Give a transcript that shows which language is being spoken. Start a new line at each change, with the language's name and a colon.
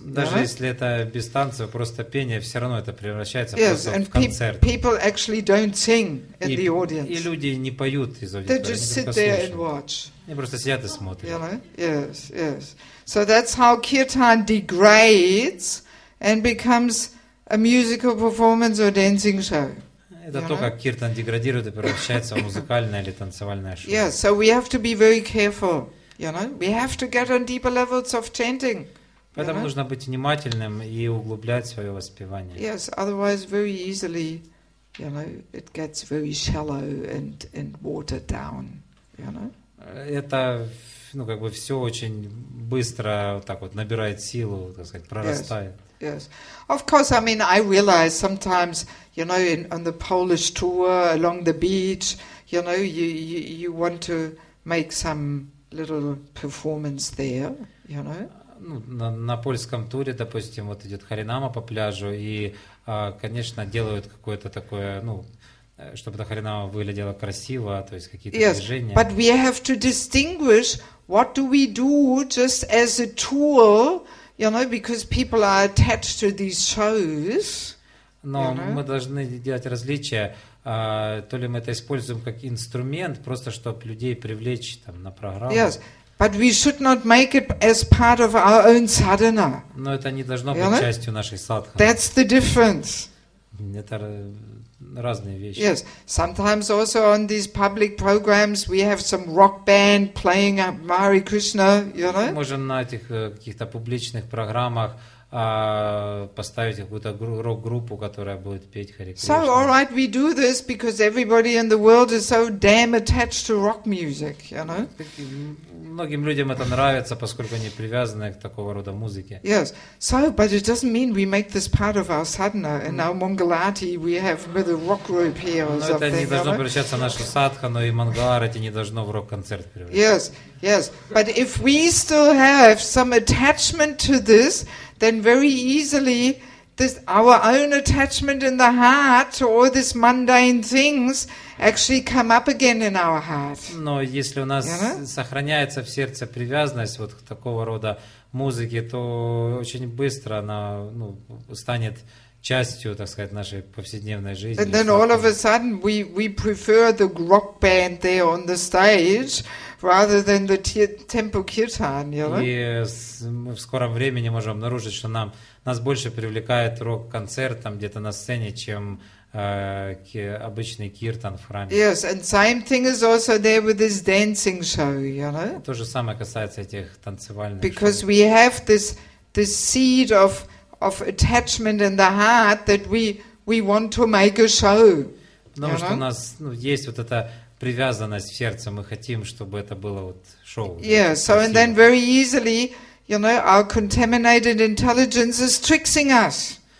Russian: Даже если это без танцев, просто пение, все равно это превращается просто в концерт.
English: People actually don't sing in the audience.
Russian: И люди не поют из аудитории.
English: They just sit there and watch.
Russian: Они просто сидят и смотрят.
English: Yes, yes. So that's how kirtan degrades and becomes a musical performance or dancing show.
Russian: Это то, как киртан деградирует и превращается в музыкальное или танцевальное шоу.
English: Yeah, so we have to be very careful, you know. We have to get on deeper levels of chanting.
Russian: Поэтому нужно быть внимательным и углублять свое воспевание.
English: Yes, otherwise very easily, you know, it gets very shallow and watered down, you know.
Russian: Это, ну, как бы все очень быстро вот так вот набирает силу, так сказать, прорастает.
English: Yes. Yes, of course. I mean, I realize sometimes, you know, on the Polish tour along the beach, you know, you want to make some little performance there, you know.
Russian: Ну, на польском туре, допустим, вот идет харинама по пляжу, и, конечно, делают какое-то такое, ну, чтобы эта харинама выглядела красиво, то есть какие-то движения.
English: Yes, but we have to distinguish what do we do just as a tour. You know, because people are attached to these shows.
Russian: Но мы должны делать различия. То ли мы это используем как инструмент, просто чтобы людей привлечь там на программу.
English: Yes, but we should not make it as part of our own sadhana.
Russian: Но это не должно быть частью нашей садханы.
English: That's the difference.
Russian: Это разные вещи.
English: Yes, sometimes also on these public programs we have some rock band playing Hare Krishna, you know.
Russian: Можем на этих каких-то публичных программах поставить какую-то рок-группу, которая будет петь Hare Krishna.
English: So all right, we do this because everybody in the world is so damn attached to rock music, you know.
Russian: Многим людям это нравится, поскольку они привязаны к такого рода музыке.
English: Yes. So, but it doesn't mean we make this part of our sadhana. And our Mangalarti, we have with a rock group here or something.
Russian: Но это не должно превращаться в нашу садхану, и Мангаларти не должно в рок-концерт превращаться.
English: Yes, yes. But if we still have some attachment to this, then very easily this our own attachment in the heart to all these mundane things actually come up again in our heart.
Russian: Но если у нас сохраняется в сердце привязанность вот к такого рода музыке, то очень быстро она, ну, станет частью, так сказать, нашей повседневной жизни.
English: And then all of a sudden we prefer the rock band there on the stage rather than the temple kirtan, you know?
Russian: И мы в скором времени можем обнаружить, что нас больше привлекает рок-концерт там где-то на сцене, чем обычный киртан в храме.
English: Yes, and same thing is also there with this dancing show, you know?
Russian: То же самое касается этих танцевальных
English: Because
Russian: шоу.
English: We have this seed of attachment in the heart that we want to make a show.
Russian: Потому что у нас, ну, есть вот эта привязанность в сердце, мы хотим, чтобы это было вот шоу.
English: Yeah, so and then very easily, you know, our contaminated intelligence is tricking us.